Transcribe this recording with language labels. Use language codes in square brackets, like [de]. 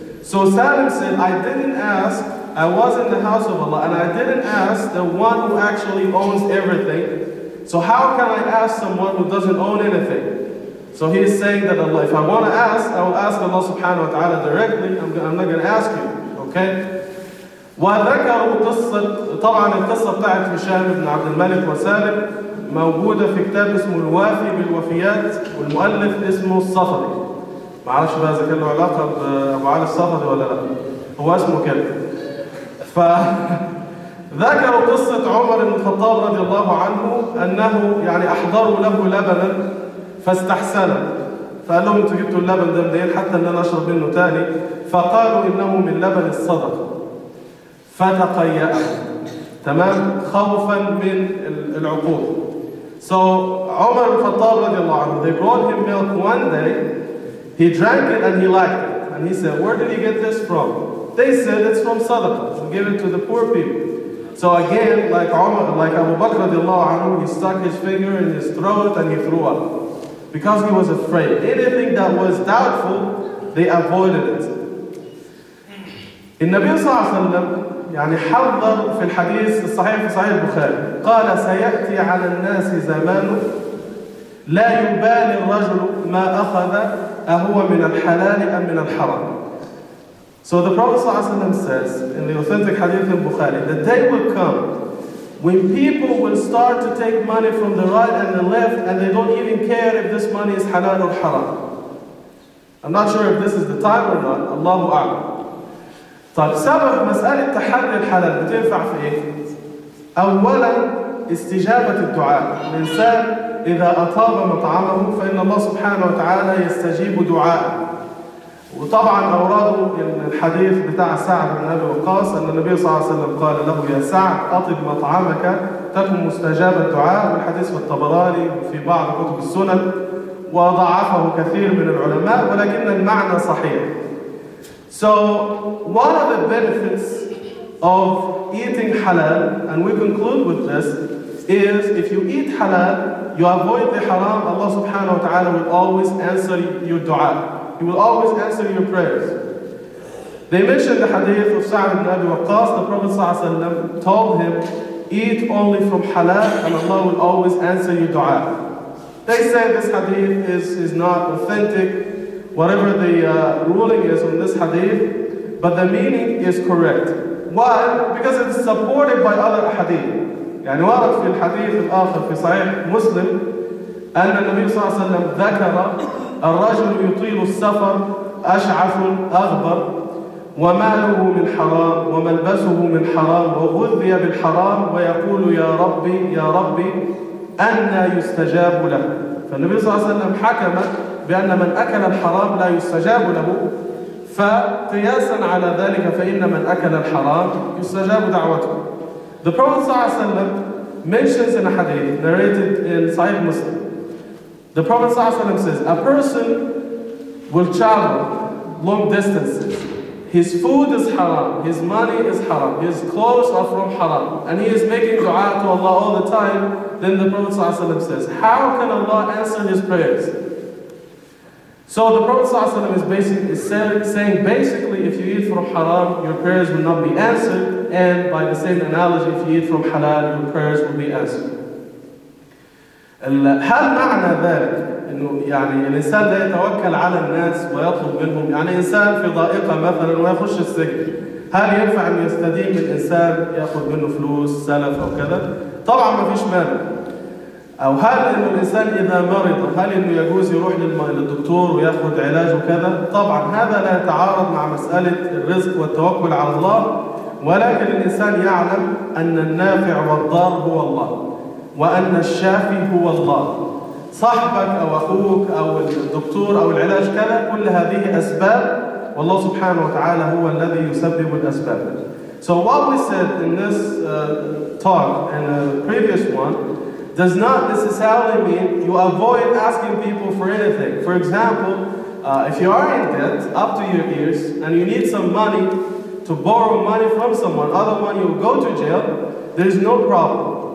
[en] So Salim said, I didn't ask, I was in the house of Allah, and I didn't ask the one who actually owns everything. So how can I ask someone who doesn't own anything? So he is saying that Allah, if I want to ask, I will ask Allah subhanahu wa ta'ala directly. I'm not going to ask you, okay? [ar] وَذَكَرُوا قِصَّةً طبعاً القصة بتاعت هشام بن عبد الملك وسالم موجودة في كتاب اسمه الوافي بالوفيات، والمؤلف اسمه الصفري. ما عرفش بقى إذا كان له علاقة بأبو علي الصفري ولا لا. هو اسمه كده. فذكروا قصة عمر بن الخطاب رضي الله عنه أنه يعني أحضروا له لبنا فاستحسنه، فقال لهم انتوا جبتوا اللبن ده منين حتى ان انا اشرب منه تاني؟ فقالوا انه من لبن الصدقه. فتقيأ تمام خوفا من العقوبه. [en] So عمر الخطاب رضي الله عنه, they brought him milk one day, he drank it and he liked it. And he said, where did you get this from? They said, it's from Sadaqah, to give it to the poor people. So again, like Umar, like Abu Bakr رضي الله عنه, he stuck his finger in his throat and he threw up. Because he was afraid. Anything that was doubtful, they avoided it. [ar] النبي صلى الله عليه وسلم يعني حضر في الحديث الصحيح في صحيح البخاري قال سيأتي على الناس زمان لا يبالي الرجل ما أخذ أهو من الحلال أم من الحرام. [en] So the Prophet صلى الله عليه وسلم says in the authentic hadith in Bukhari, the day will come when people will start to take money from the right and the left and they don't even care if this money is halal or haram. I'm not sure if this is the time or not. Allahu A'lam. [ar] طيب سبب مسألة تحري الحلال بتنفع في إيه؟ أولا استجابة الدعاء. الإنسان إذا أطاب مطعمه فإن الله سبحانه وتعالى يستجيب دعاء. وطبعا أورده الحديث بتاع سعد بن أبي وقاص أن النبي صلى الله عليه وسلم قال له يا سعد أطب مطعمك تكن مستجاب الدعاء. والحديث في الطبراني في بعض كتب السنن وضعفه كثير من العلماء ولكن المعنى صحيح. [en] So what are the benefits of eating halal? And we conclude with this, is if you eat halal, you avoid the haram, Allah subhanahu wa ta'ala will always answer your dua. He will always answer your prayers. They mentioned the hadith of Sa'd ibn Abi Waqqas, the Prophet sallallahu alayhi wa sallam told him, eat only from halal and Allah will always answer your dua. They say this hadith is not authentic, whatever the ruling is on this hadith, but the meaning is correct. Why? Because it's supported by other hadith. [ar] يعني ورد في الحديث الآخر في صحيح مسلم أن النبي صلى الله عليه وسلم ذكر الرجل يطيل السفر أشعث أغبر وماله من حرام وملبسه من حرام وغذي بالحرام ويقول يا ربي يا ربي أنى يستجاب له. فالنبي صلى الله عليه وسلم حكم بأن من أكل الحرام لا يستجاب له. فقياسا على ذلك فإن من أكل الحرام يستجاب دعوته. [en] The Prophet صلى الله عليه وسلم mentions in a hadith narrated in Sahih Muslim. The Prophet صلى الله عليه وسلم says, a person will travel long distances. His food is haram, his money is haram, his clothes are from haram, and he is making dua to Allah all the time. Then the Prophet صلى الله عليه وسلم says, how can Allah answer his prayers? So the Prophet ﷺ is saying basically if you eat from haram, your prayers will not be answered. And by the same analogy, if you eat from halal, your prayers will be answered. [ar] هل معنى ذلك إنه يعني الإنسان لا يتوكل على الناس ويطلب منهم يعني إنسان في ضائقة مثلا ويخش السجن هل ينفع أن يستدين الإنسان يأخذ منه فلوس سلف أو كذا؟ طبعا ما فيش مانع. أو هل إن الإنسان إذا مرض هل إنه يجوز يروح للدكتور ويأخذ علاج وكذا؟ طبعا هذا لا يتعارض مع مسألة الرزق والتوكل على الله, ولكن الإنسان يعلم أن النافع والضار هو الله وأن الشافي هو الله. صاحبك أو أخوك أو الدكتور أو العلاج كذا, كل هذه أسباب والله سبحانه وتعالى هو الذي يسبب الأسباب. [en] So what we said in this talk and the previous one does not necessarily mean you avoid asking people for anything. For example, if you are in debt up to your ears and you need some money to borrow money from someone, other than you go to jail, there's no problem.